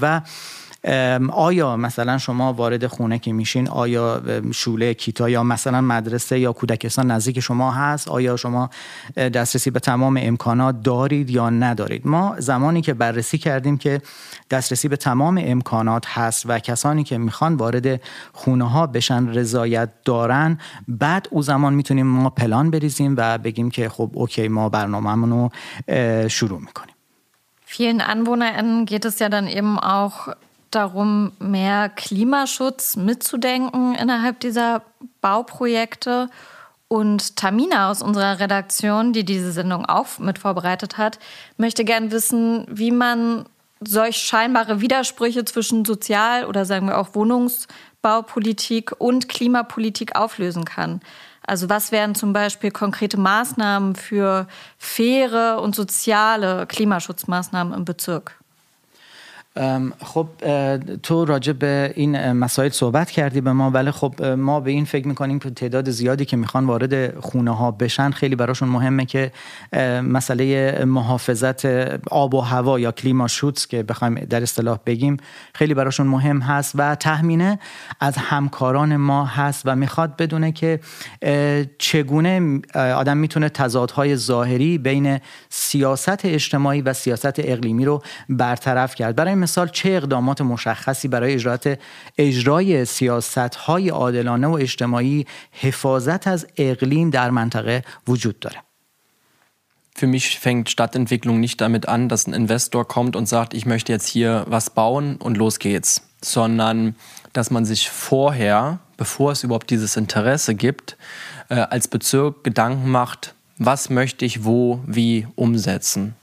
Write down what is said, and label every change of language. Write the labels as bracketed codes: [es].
[fa] و آیا مثلا شما وارد خونه که میشین، آیا شوله، کیتا یا مثلا مدرسه یا کودکستان نزدیک شما هست، آیا شما دسترسی به تمام امکانات دارید یا ندارید؟ ما زمانی که بررسی کردیم که دسترسی به تمام امکانات هست و کسانی که میخوان وارد خونه ها بشن رضایت دارن، بعد او زمان میتونیم ما پلان بریزیم و بگیم که خب اوکی ما برنامه‌مون رو شروع میکنیم. [de] Vielen Anwohnern geht es ja dann eben auch darum, mehr Klimaschutz mitzudenken innerhalb dieser Bauprojekte. Und Tamina aus unserer Redaktion, die diese Sendung auch mit vorbereitet hat, möchte gern wissen, wie man solch scheinbare Widersprüche zwischen Sozial- oder sagen wir auch Wohnungsbaupolitik und Klimapolitik auflösen kann. Also was wären zum Beispiel konkrete Maßnahmen für faire und soziale Klimaschutzmaßnahmen im Bezirk? [fa] خب تو راجع به این مسائل صحبت کردی به ما، ولی خب ما به این فکر میکنیم که تعداد زیادی که میخوان وارد خونه ها بشن خیلی براشون مهمه که مسئله محافظت آب و هوا یا کلیما شوتس که بخوایم در اصطلاح بگیم خیلی براشون مهم هست و تخمینه از همکاران ما هست و میخواد بدونه که چگونه آدم میتونه تضادهای ظاهری بین سیاست اجتماعی و سیاست اقلیمی رو برطرف کرد. برای مثال چه اقدامات مشخصی برای اجرای سیاست‌های عادلانه و اجتماعی حفاظت از اقلیم در منطقه وجود داره؟ [de] Für mich fängt Stadtentwicklung nicht damit an, dass ein Investor kommt und sagt, ich möchte jetzt hier was bauen und los geht's, sondern dass man sich vorher, bevor es überhaupt dieses Interesse gibt, als Bezirk Gedanken macht, was möchte ich wo wie umsetzen.